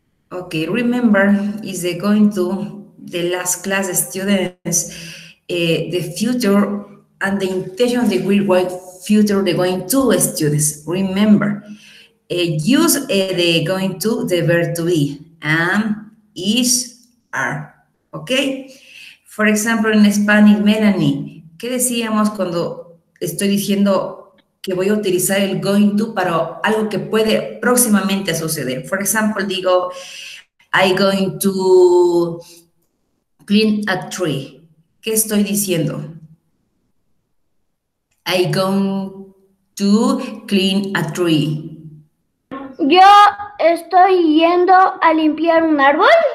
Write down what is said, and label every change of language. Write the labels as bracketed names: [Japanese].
[English] Ok, remember, is the going to the last class, students, the future and the intention the will work future the going to, students. Remember, use the going to, the verb to be, am, is, are. Ok, for example, in Spanish, [Spanish] Melanie, ¿qué decíamos cuando estoy diciendo que voy a utilizar el going to para algo que puede próximamente suceder? [English] For example, [Spanish] digo, [English] I'm going to clean a tree. [Spanish] ¿Qué estoy diciendo? [English] I'm going to clean a tree. [Spanish] ¿Yo estoy yendo a limpiar un árbol?